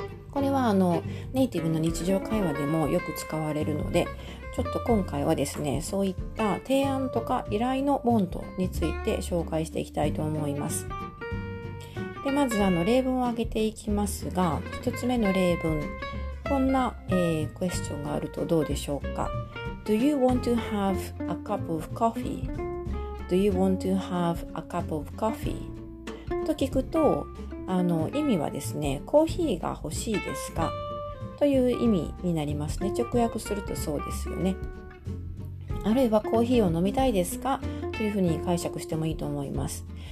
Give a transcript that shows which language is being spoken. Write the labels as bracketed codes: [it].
[ja] これはネイティブの日常会話でもよく使われるので、ちょっと今回はですね、そういった提案とか依頼の want について紹介していきたいと思います。でまず例文を挙げていきますが、1つ目の例文、こんな、クエスチョンがあるとどうでしょうか。 [en] Do you want to have a cup of coffee? Do you want to have a cup of coffee? [ja] と聞くと、意味はですね、コーヒーが欲しいですかという意味になりますね。直訳するとそうですよね。あるいはコーヒーを飲みたいですかというふうに解釈してもいいと思います。